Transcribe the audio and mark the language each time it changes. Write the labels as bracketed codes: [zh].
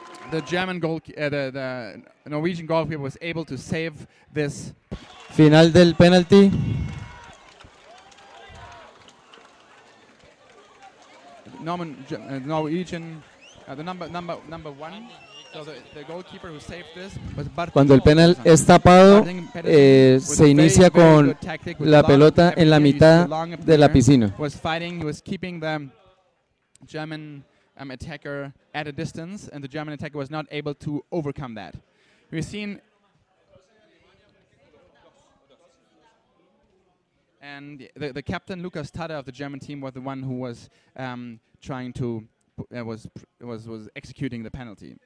[en] The German goalkeeper, the Norwegian goalkeeper was able to save this. [es] Final del penalty. [en] The number one. So the goalkeeper who saved this was Bartolo. [es] Cuando el penal es tapado, se inicia con la pelota en la mitad de la piscina. [en] Was fighting. He was keeping the German attacker at a distance, and the German attacker was not able to overcome that. We've seen, and the captain Lukas Tadda of the German team was the one who was trying to was executing the penalty.